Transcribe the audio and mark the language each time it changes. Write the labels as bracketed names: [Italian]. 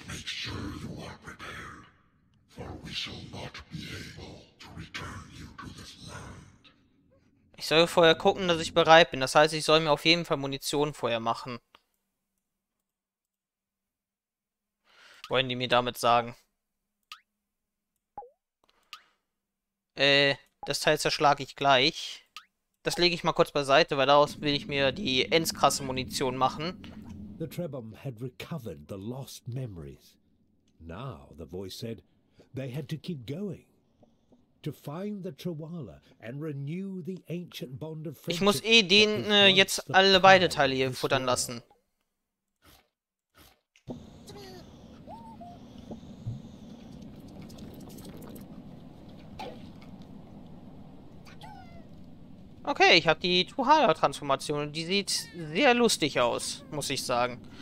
[English] Make sure you are prepared, for we shall not be able to return you to this land. [German] Ich soll vorher gucken, dass ich bereit bin. Das heißt, ich soll mir auf jeden Fall Munition vorher machen. Wollen die mir damit sagen? Das Teil zerschlage ich gleich. Das lege ich mal kurz beiseite, weil daraus will ich mir die endkrasse Munition machen. [English] The Trebom had recovered the lost memories. Now, the voice said, they had to keep going. To find the Trawala and renew the ancient bond of friendship. [German] Ich muss eh den jetzt alle beide Teile hier futtern lassen. Okay, ich habe die Truhala-Transformation und die sieht sehr lustig aus, muss ich sagen.